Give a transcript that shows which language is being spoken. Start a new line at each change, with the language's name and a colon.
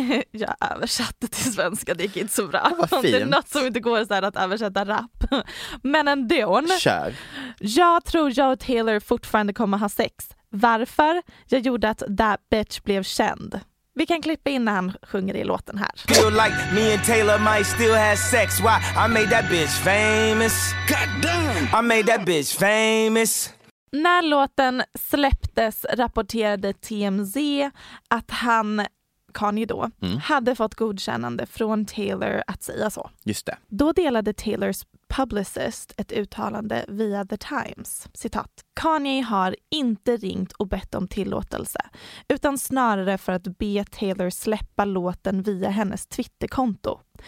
Swedish: Jag översatte till svenska, det gick inte så bra. Det är något som inte går så här att översätta rap. Men ändå. Kör. Jag tror jag och Taylor fortfarande kommer ha sex. Varför? Jag gjorde att
English: that bitch
Swedish: blev känd. Vi kan klippa in när han sjunger i låten här.
English: Feel like me and Taylor might still have sex. Why? I made that bitch famous. God damn. I made that bitch famous.
Swedish: När låten släpptes rapporterade TMZ att han... Kanye då, hade fått godkännande från Taylor att säga så. Just det. Då delade Taylors publicist ett uttalande via The Times. Citat. Kanye har inte ringt och bett om tillåtelse, utan snarare för att be Taylor släppa låten via hennes Twitterkonto.